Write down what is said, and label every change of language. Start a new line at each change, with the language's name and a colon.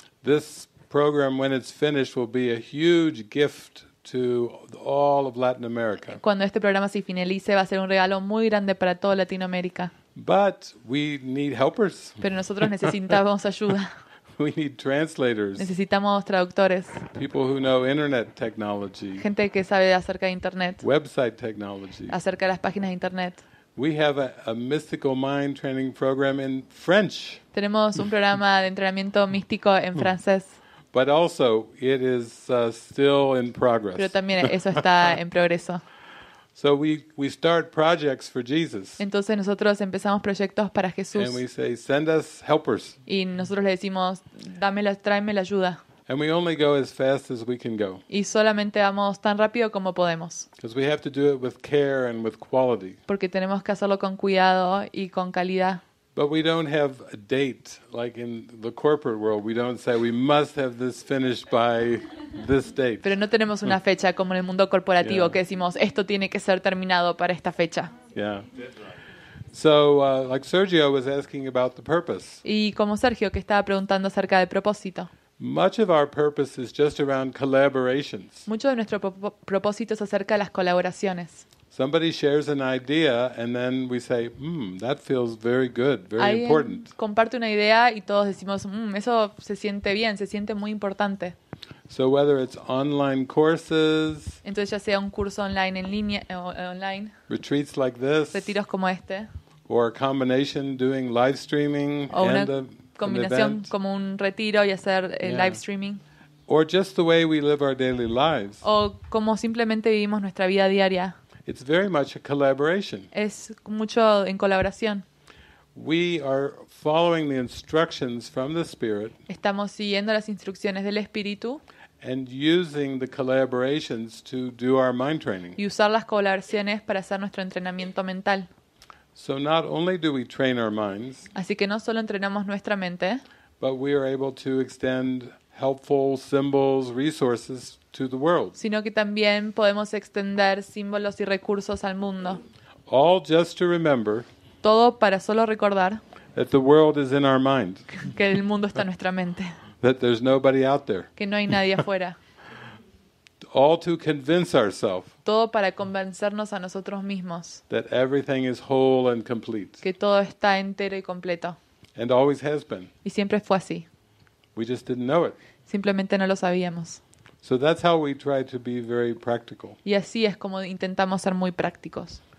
English: This program, when it's finished, will be a huge gift to all of Latin America.
Spanish: Cuando este programa se finalice, va a ser un regalo muy grande para toda Latinoamérica.
English: But we need helpers.
Spanish: Pero nosotros necesitamos ayuda.
English: We need translators.
Spanish: Necesitamos traductores.
English: People who know internet technology.
Spanish: Gente que sabe acerca de internet.
English: Website technology.
Spanish: Acerca de las páginas de internet.
English: We have a mystical mind training program in French.
Spanish: Tenemos un programa de entrenamiento místico en francés.
English: But also, it is still in progress.
Spanish: Pero también eso está en progreso.
English: So we start projects for Jesus.
Spanish: Entonces nosotros empezamos proyectos para Jesús.
English: And we say, send us helpers.
Spanish: Y nosotros le decimos, tráeme la ayuda.
English: And we only go as fast as we can go.
Spanish: Y solamente vamos tan rápido como podemos.
English: Because we have to do it with care and with quality.
Spanish: Porque tenemos que hacerlo con cuidado y con calidad.
English: But we don't have a date like in the corporate world. We don't say we must have this finished by this date.
Spanish: Pero no tenemos una fecha como en el mundo corporativo que decimos esto tiene que ser terminado para esta fecha.
English: Yeah. So like Sergio was asking about the purpose.
Spanish: Y como Sergio que estaba preguntando acerca del propósito.
English: Much of our purpose is just around collaborations.
Spanish: Mucho de nuestro propósito es acerca de las colaboraciones.
English: Somebody shares an idea and then we say, that feels very good, very important.
Spanish: Alguien comparte una idea y todos decimos, eso se siente bien, se siente muy importante.
English: So whether it's online courses,
Spanish: entonces ya sea un curso online en línea online,
English: retreats like this,
Spanish: retiros como este,
English: or a combination doing live streaming
Spanish: o una
English: and a
Spanish: combinación
English: an event,
Spanish: como un retiro y hacer live streaming.
English: Or just the way we live our daily lives.
Spanish: O como simplemente vivimos nuestra vida diaria.
English: It's very much a collaboration.
Spanish: Es mucho en colaboración.
English: We are following the instructions from the Spirit.
Spanish: Estamos siguiendo las instrucciones del Espíritu.
English: And using the collaborations to do our mind training.
Spanish: Y usar las colaboraciones para hacer nuestro entrenamiento mental.
English: So not only do we train our minds.
Spanish: Así que no solo entrenamos nuestra mente.
English: But we are able to extend helpful symbols, resources to the world.
Spanish: Sino que también podemos extender símbolos y recursos al mundo.
English: All just to remember.
Spanish: Todo para solo recordar.
English: That the world is in our mind.
Spanish: Que el mundo está en nuestra mente.
English: That there's nobody out there.
Spanish: Que no hay nadie afuera.
English: All to convince ourselves.
Spanish: Todo para convencernos a nosotros mismos.
English: That everything is whole and complete.
Spanish: Que todo está entero y completo.
English: And always has been.
Spanish: Y siempre fue así.
English: We just didn't know it.
Spanish: Simplemente no lo sabíamos.
English: So that's how we try to be very practical.
Spanish: Y así es como intentamos ser muy prácticos.